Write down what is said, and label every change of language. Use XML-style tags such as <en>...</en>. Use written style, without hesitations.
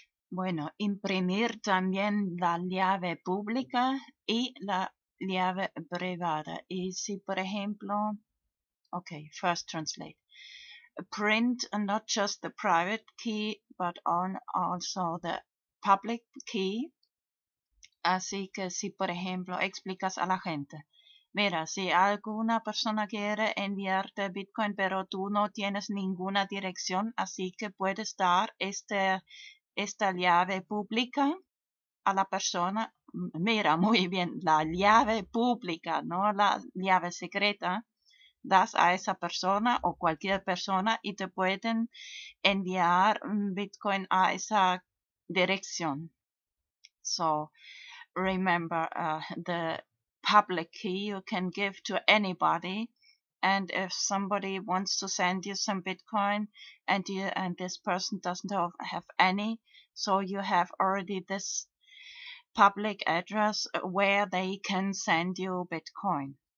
<es>Bueno, imprimir también la llave pública y la llave privada. Y si, por ejemplo,</es> <en>okay, first translate. Print not just the private key, but on also the public key.</en> <es>Así que si, por ejemplo, explicas a la gente, mira, si alguna persona quiere enviarte Bitcoin, pero tú no tienes ninguna dirección, así que puedes dar esta llave pública a la persona. Mira, muy bien, la llave pública, no la llave secreta. Das a esa persona o cualquier persona y te pueden enviar Bitcoin a esa dirección.</es> <en>So, remember, the public key you can give to anybody. And if somebody wants to send you some Bitcoin and you and this person doesn't have any, so you have already this public address where they can send you Bitcoin.</en>